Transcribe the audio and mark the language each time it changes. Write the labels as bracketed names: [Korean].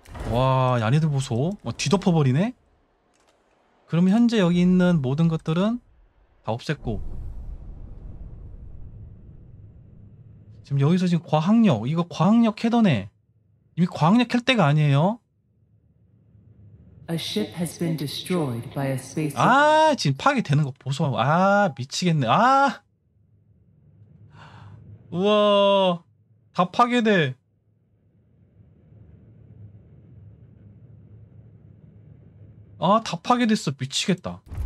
[Korean] 와 얘네들 보소. 와, 뒤덮어버리네. 그럼 현재 여기 있는 모든 것들은 다 없앴고 지금 여기서 지금 과학력 이거 과학력 캐더네. 이미 과학력 캘 때가 아니에요. [English] A ship has been destroyed by a space. [Korean] 아 지금 파괴되는 거 보소. 아 미치겠네. 아 우와 다 파괴돼. 아, 다 파괴됐어. 미치겠다.